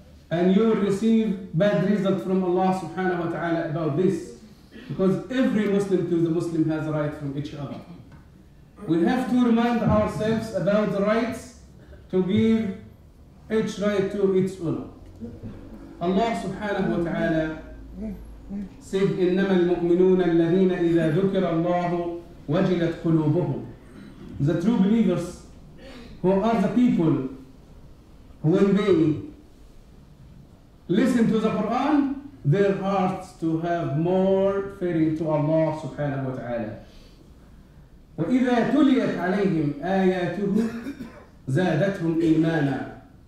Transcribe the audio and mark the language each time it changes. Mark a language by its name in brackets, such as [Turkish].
[English] And you will receive bad results from Allah subhanahu wa ta'ala about this. Because every Muslim to the Muslim has a right from each other. We have to remind ourselves about the rights to give each right to its owner. Allah subhanahu wa ta'ala said, [Arabic] إِنَّمَا الْمُؤْمِنُونَ الَّذِينَ إِذَا ذُكِرَ اللَّهُ وَجِلَتْ قُلُوبُهُمْ. [English] The true believers, who are the people, when they listen to the Quran, their hearts to have more fearing to Allah subhanahu wa ta'ala. [Arabic] وَإِذَا تُلِيَتْ عَلَيْهِمْ آيَاتُهُ زَادَتْهُمْ إِيمَانًا.